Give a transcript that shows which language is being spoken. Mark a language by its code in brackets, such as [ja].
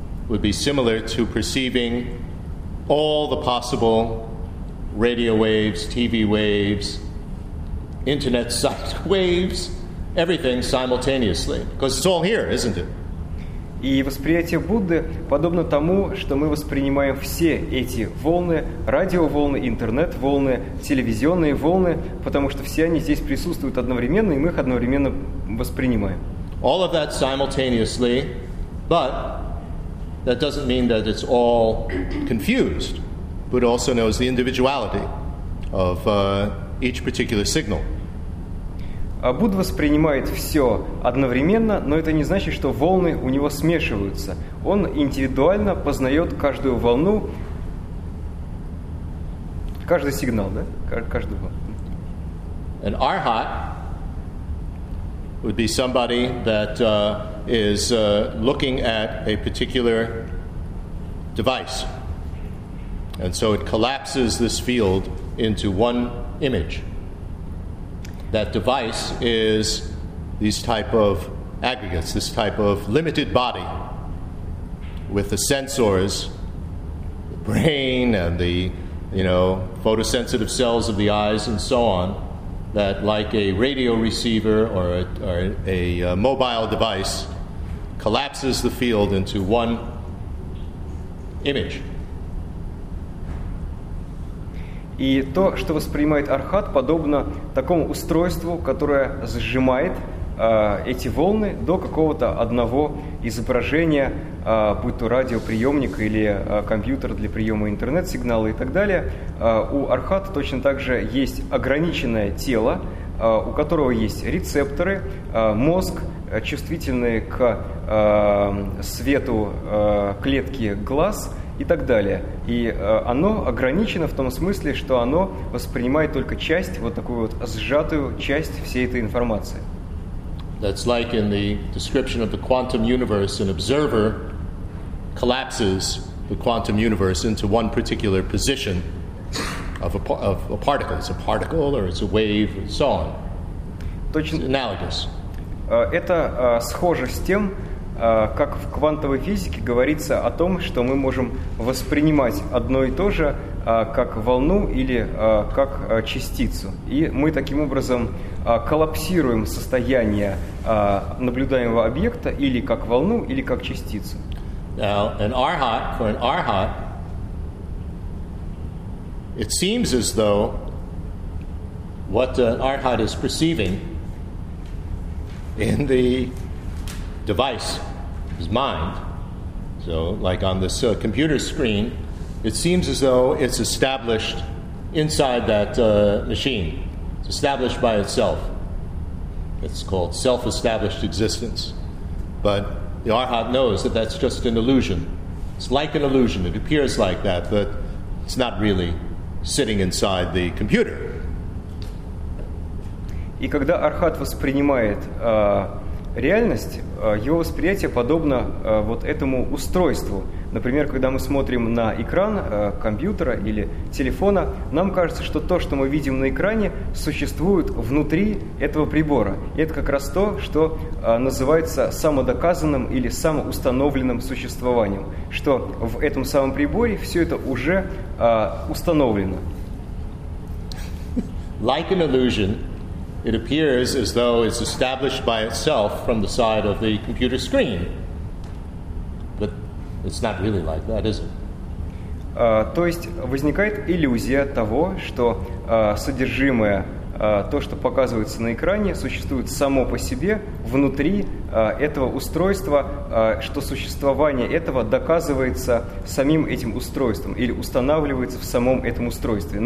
[en] would be similar to perceiving all the possible radio waves, TV waves, internet site waves, everything simultaneously. Because it's all here, isn't it? [ru] И восприятие Будды подобно тому, что мы воспринимаем все эти волны, радиоволны, интернет-волны, телевизионные волны, потому что все они здесь присутствуют одновременно, и мы их одновременно воспринимаем. [en] All of that simultaneously, but that doesn't mean that it's all confused. Buddha also knows the individuality of each particular signal. [ru] Будда воспринимает все одновременно, но это не значит, что волны у него смешиваются. Он индивидуально познает каждую волну, каждый сигнал, да? Каждую волну. [en] An arhat would be somebody that is looking at a particular device. And so it collapses this field into one image. That device is these type of aggregates, this type of limited body with the sensors, the brain and the, you know, photosensitive cells of the eyes and so on, that like a radio receiver or a mobile device collapses the field into one image. [ru] И то, что воспринимает архат, подобно такому устройству, которое сжимает эти волны до какого-то одного изображения, будь то радиоприемник или компьютер для приема интернет-сигнала и так далее. У архата точно так же есть ограниченное тело, у которого есть рецепторы, мозг, чувствительные к свету клетки глаз – и так далее. И оно ограничено в том смысле, что оно воспринимает только часть, вот такую вот сжатую часть всей этой информации. [en] That's like in the description of the quantum universe, an observer collapses the quantum universe into one particular position of a particle. It's a particle, or it's a wave, and so on. [ru] Точно. [en] Analogous. [ru] Это схоже с тем, как в квантовой физике говорится о том, что мы можем воспринимать одно и то же как волну или как частицу. И мы таким образом коллапсируем состояние наблюдаемого объекта или как волну, или как частицу. [en] Now, an arhat, for an arhat, it seems as though what an arhat is perceiving in the device his mind, so like on this computer screen, it seems as though it's established inside that machine. It's established by itself. It's called self-established existence. But the arhat knows that that's just an illusion. It's like an illusion. It appears like that, but it's not really sitting inside the computer. [ru] И когда архат воспринимает реальность, его восприятие подобно вот этому устройству. Например, когда мы смотрим на экран компьютера или телефона, нам кажется, что то, что мы видим на экране, существует внутри этого прибора. И это как раз то, что называется самодоказанным или самоустановленным существованием, что в этом самом приборе все это уже установлено. [en] Like an illusion. It appears as though it's established by itself from the side of the computer screen. But it's not really like that, is it? [ru] То есть возникает иллюзия того, что содержимое, то, что показывается на экране, существует само по себе внутри этого устройства, что существование этого доказывается самим этим устройством или устанавливается в самом этом устройстве.